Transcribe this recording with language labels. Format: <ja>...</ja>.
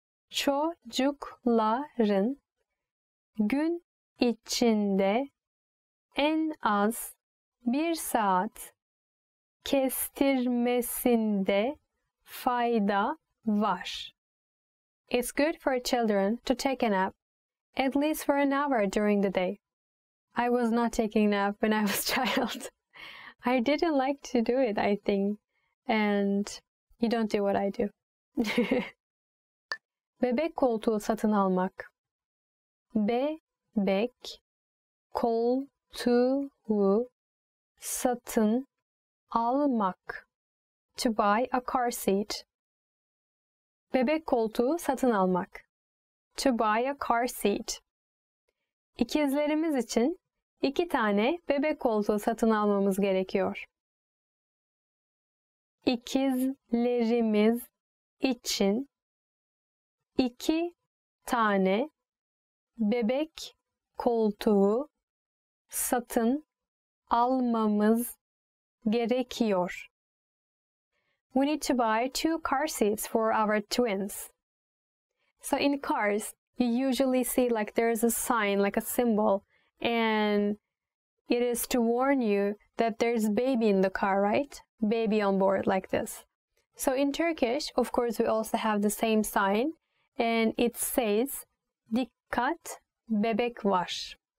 <tr>Çocukların gün içinde en az bir saat kestirmesinde fayda var.</tr> <en>It's good for children to take a nap at least for an hour during the day. I was not taking a nap when I was a child. I didn't like to do it, I think. And you don't do what I do.</en> <tr>Bebek koltuğu satın almak. Bebek koltuğu satın almak.</tr> <en>To buy a car seat.</en> <tr>Bebek koltuğu satın almak.</tr> <en>To buy a car seat.</en> <tr>İkizlerimiz için iki tane bebek koltuğu satın almamız gerekiyor. İkizlerimiz için iki tane bebek koltuğu satın almamız gerekiyor.</tr> <en>We need to buy two car seats for our twins. So in cars, you usually see like there is a sign, like a symbol, and it is to warn you that there's baby in the car, right? Baby on board, like this. So in Turkish, of course, we also have the same sign, and it says,</en> <tr>dikkat bebek var.</tr>